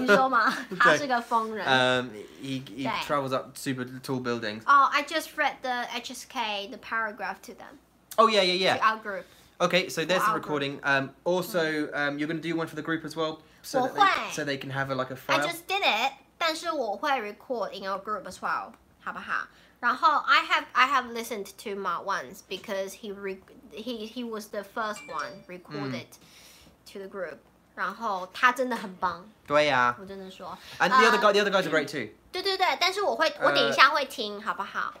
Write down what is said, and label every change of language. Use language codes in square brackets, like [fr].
[zh] 他是个疯人，你说吗？他是个疯人。 [en] He travels up super tall buildings. Oh, I just read the HSK, the paragraph to them. Oh, yeah. To our group. Okay, so there's the recording. Also, you're going to do one for the group as well? So [zh] 我会. [en] So they can have a file? I just did it, [zh] 但是我会 [en] record in our group as well, [zh] 好不好? [en] 然后 I have listened to Mark once because he was the first one recorded to the group. [zh] 然后他真的很棒。对呀，我真的说。 [en] And the other guys are great too. [zh] 对，但是我等一下会听，好不好？